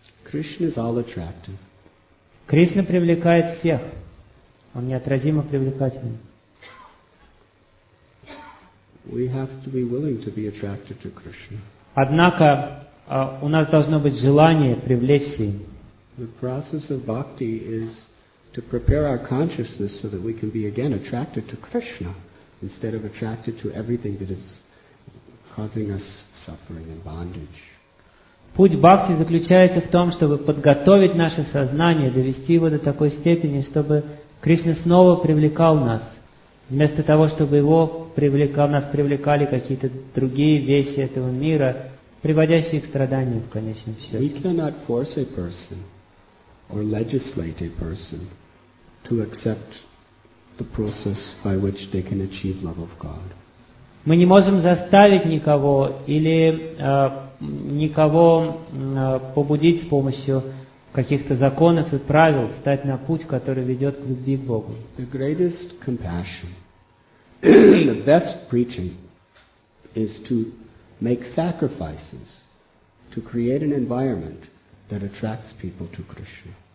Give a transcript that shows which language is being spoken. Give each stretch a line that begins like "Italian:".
English: Krishna is all attractive.
Russian: Кришна привлекает всех. Он неотразимо привлекателен.
English: We have to be willing to be attracted to Krishna.
Russian: Однако у нас должно быть желание привлечься им.
English: The process of bhakti is to prepare our consciousness so that we can be again attracted to Krishna instead of attracted to everything that is causing us suffering and bondage.
Russian: Путь бхакти заключается в том, чтобы подготовить наше сознание, довести его до такой степени, чтобы Кришна снова привлекал нас, вместо того, чтобы его привлекал, нас привлекали какие-то другие вещи этого мира, приводящие к страданиям в конечном счете.
English: We cannot force a person or legislate a person to accept the process by which they can achieve love of God.
Russian: Мы не можем заставить никого или никого побудить с помощью каких-то законов и правил встать на путь, который ведет к любви к Богу.
English: The greatest compassion, the best preaching is to make sacrifices to create an environment that attracts people to Krishna.